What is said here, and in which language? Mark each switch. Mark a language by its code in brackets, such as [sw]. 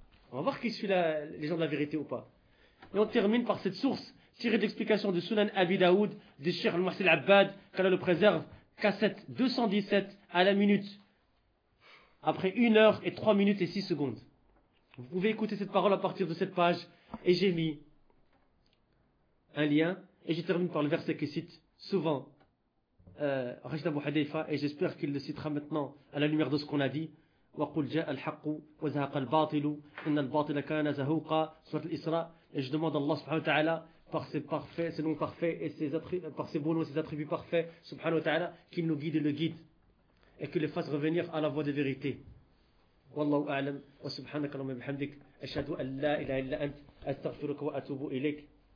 [fr] On va voir qui suit les gens de la vérité ou pas. Et on termine par cette source tirée d'explication de Sunan Abi Daoud, de Cheikh Al-Mohsin Abbad, qu'Allah le préserve, cassette 217 à la minute, après 1 heure et 3 minutes et 6 secondes. Vous pouvez écouter cette parole à partir de cette page, et j'ai mis un lien. Et je termine par le verset qui cite souvent Rachid Abu Hanifa, et j'espère qu'il le citera maintenant à la lumière de ce qu'on a dit. [ar] وَقُلْ جَاءَ الْحَقُّ وَزَهَقَ الْبَاطِلُ إِنَّ الْبَاطِلَ كَانَ زَهُوقًا Surat al-Isra. [fr] Et je demande à Allah subhanahu wa ta'ala, par ses parfaits, ses noms parfaits, et par ses bons noms et ses attributs parfaits, subhanahu wa ta'ala, qu'il nous guide et le guide, et qu'il le fasse revenir à la voie de vérité. [ar] وَاللَّهُ أَعْلَمْ وَسُبْحَانَكَ اللَّهُمَّ بِحَمْدِكَ أَشْهَدُ أَنْ لَا إِلَهَ إِلَّا أَنْتَ أَسْتَغْفِرُكَ وَأَتُوبُ إِلَيْكَ.